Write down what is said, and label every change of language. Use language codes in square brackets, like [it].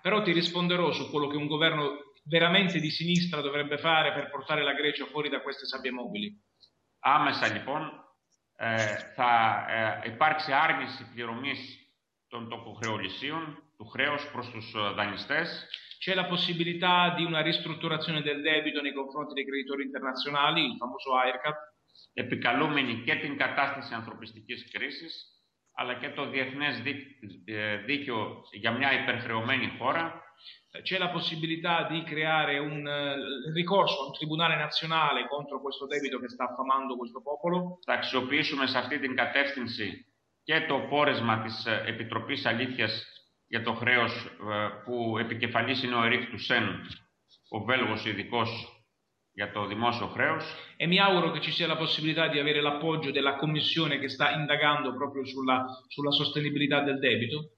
[it] Però ti risponderò su quello che un governo veramente di sinistra dovrebbe fare per portare la Grecia fuori da queste sabbie mobili. [el] Άμεσα λοιπόν θα υπάρξει άρνηση πληρωμής των τοκοχρεωλησίων, του χρέους προς τους δανειστές. [it] C'è la possibilità di una ristrutturazione del debito nei confronti dei creditori internazionali, il famoso AIRCAT. [el] Επικαλούμενοι και την κατάσταση ανθρωπιστικής κρίσης, αλλά και το διεθνές δίκαιο για μια υπερχρεωμένη χώρα. [it] C'è la possibilità di creare un ricorso, un tribunale nazionale contro questo debito che sta affamando questo popolo. [el] Θα αξιοποιήσουμε σε αυτή την κατεύθυνση και το πόρισμα της Επιτροπής Αλήθειας για το χρέος που επικεφαλής είναι ο Ερίκ Τουσέν, ο Βέλγος ειδικός για το δημόσιο χρέος. [it] E mi auguro che ci sia la possibilità di avere l'appoggio della commissione che sta indagando proprio sulla sostenibilità del debito.